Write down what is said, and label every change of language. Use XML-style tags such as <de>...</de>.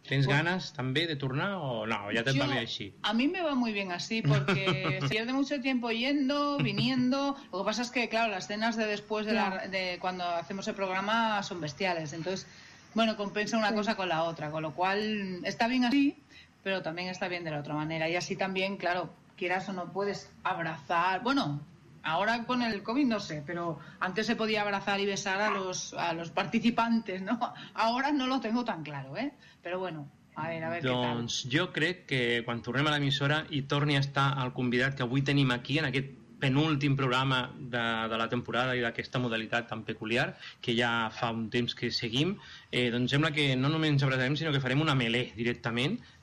<ca>Tens ganes també de tornar o no? Ja te va bé així.</ca> <es>A mi me va muy bien así, porque se pierde mucho tiempo yendo, viniendo... Lo que pasa es que, claro, las cenas de después de, de cuando hacemos el programa son bestiales. Entonces, bueno, compensa una cosa con la otra. Con lo cual, está bien así... Pero también está bien de la otra manera. Y así también, claro, quieras o no, puedes abrazar. Bueno, ahora con el COVID no sé, pero antes se podía abrazar y besar a los participantes, ¿no? Ahora no lo tengo tan claro, ¿eh? Pero bueno, a ver</es> <ca>doncs</ca> <es>qué tal.</es> <ca>Jo crec que quan tornem a l'emissora i torni a estar el convidat que avui tenim aquí en aquest penúltim programa de la temporada i d'aquesta modalitat tan peculiar que ja fa un temps que seguim, doncs sembla que no només ens abraçarem sinó que farem una melé directament.</ca>